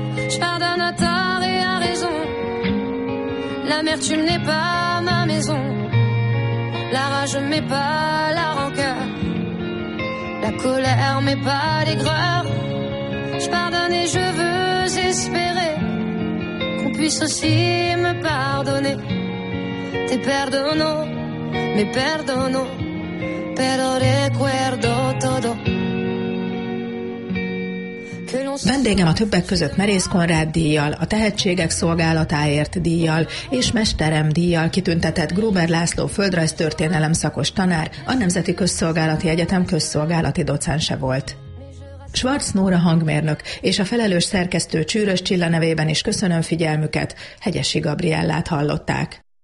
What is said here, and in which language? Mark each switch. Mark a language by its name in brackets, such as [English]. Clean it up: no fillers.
[French] Je pardonne à tort et à raison, l'amertume n'est pas ma maison, la rage mais pas la rancœur, la colère mais pas l'aigreur. Je pardonne et je veux espérer qu'on puisse aussi me pardonner. [Spanish] Te perdono, me perdono, pero recuerdo todo. [Hungarian] Vendégem a többek között Merész Konrád díjjal, a Tehetségek Szolgálatáért díjjal és Mesterem díjjal kitüntetett Gruber László földrajztörténelem szakos tanár, a Nemzeti Közszolgálati Egyetem közszolgálati docense volt. Schwarz Nóra hangmérnök és a felelős szerkesztő Csűrös Csilla nevében is köszönöm figyelmüket, Hegyesi Gabriellát hallották.